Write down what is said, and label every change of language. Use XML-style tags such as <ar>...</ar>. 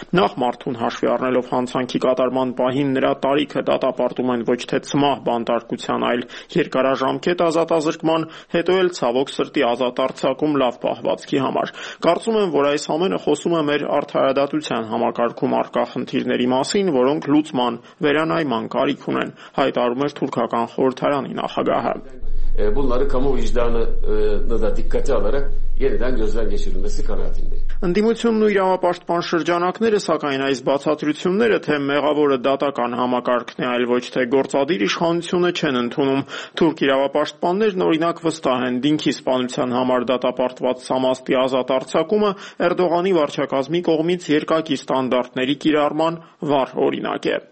<hy>Նախ մարդուն հաշվի առնելով հանցանքի կատարման պահին նրա տարիքը դատապարտում են ոչ թե ցմահ բանտարկության, այլ երկարաժամկետ ազատազրկման, հետո էլ ցավոք սրտի ազատ արձակում լավ պահվածքի համար։ Կարծում եմ, որ այս ամենը խոսում է մեր արդարադատության համակարգում առկա խնդիրների մասին, որոնք լուծման, վերանայման կարիք ունեն, հայտարարում է թուրքական խորհրդարանի նախագահը։</hy> <tr>bunları kamu vicdanını da dikkate alarak yeniden gözden geçirilmesi kanaatindeyim.</tr> <hy>Ընդդիմությունն ու իրավապաշտպան շրջանակները, սակայն այս բացատրությունները, թե մեղավորը դատական համակարգն է, այլ ոչ թե գործադիր իշխանությունը, չեն ընդունում։ Թուրք իրավապաշտպաններն օրինակ վստահ են, դինքի սպանության համար դատապարտված Սամաստի ազատ արձակումը Էրդողանի վարչակազմի կողմից երկակի ստանդարտների կիրառման վառ օրինակ է։</hy>